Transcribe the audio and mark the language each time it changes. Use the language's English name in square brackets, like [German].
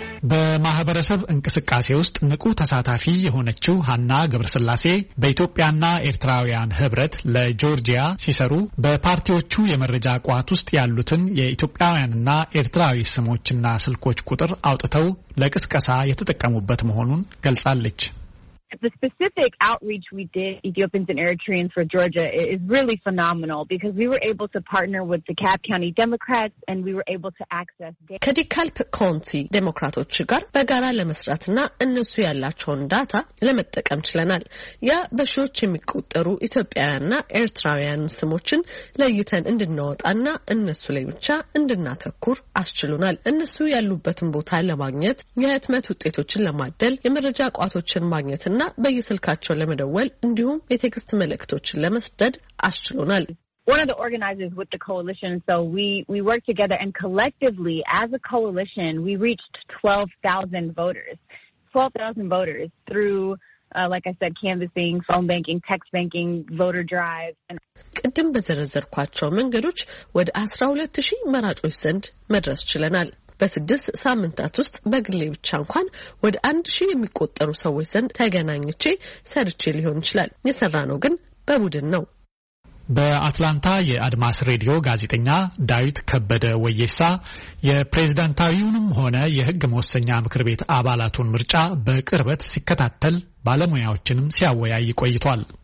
[Amharic] በማህበረሰብ እንቅስቃሴ ውስጥ ንቁ ተሳታፊ የሆነችው ሀና ገብረስላሴ በኢትዮጵያና ኤርትራውያን ህብረት ለጆርጂያ ሲሰሩ በፓርቲዎቹ የመረጃ ቋት ውስጥ ያሉትን የኢትዮጵያውያንና ኤርትራዊ ስሞችና ስልኮች ቁጥር አውጥተው ለቅስቀሳ የተጠቀሙበት መሆኑን ገልጻለች። [English] The specific outreach we did Ethiopians and Eritreans for Georgia is really phenomenal because we were able to partner with the Cap County Democrats and we were able to access [Amharic] DeKalb County ዴሞክራቶች ጋር በጋራ ለመስራትና እነሱ ያላቸውን ዳታ ለመጠቀም ይችላል። ያ በሽዎች የሚቆጠሩ ኢትዮጵያውያንና ኤርትራውያን ስሞችን ለይተን እንድንወጣና እነሱ ላይ ብቻ እንድናተኩር አስችሉናል። እነሱ ያሉበትን ቦታ ለማግኘት የህትመት ውጤቶችን ለማደል የመረጃ ቋቶችን ማግኘት እና በየስልካቸው ለመደወል እንዲሁም የቴክስት መልእክቶችን ለመስደድ አስችሎናል። [English] One of the organizers with the coalition, so we worked together and collectively as a coalition we reached 12,000 voters. 12,000 voters through like I said canvassing, phone banking, text banking, voter drives and [Amharic] ቅድም በዘረዘርኳቸው መንገዶች ወደ 12,000 መራጮች ዘንድ መድረስ ችለናል። በስድስት ሳምንታት ውስጥ በግሌ ብቻ እንኳን ወደ 1000 የሚቆጠሩ ሰዎች ዘንድ ተገናኝቼ ሰርቼ ሊሆን ይችላል። የሰራነው ግን በቡድን ነው። በአትላንታ የአድማስ ሬዲዮ ጋዜጠኛ ዳዊት ከበደ ወየሳ የፕሬዝዳንታዊውንም ሆነ የህግ መወሰኛ ምክር ቤት አባላቱን ምርጫ በቅርበት ሲከታተል ባለሙያዎችንም ሲያወያይ ቆይቷል።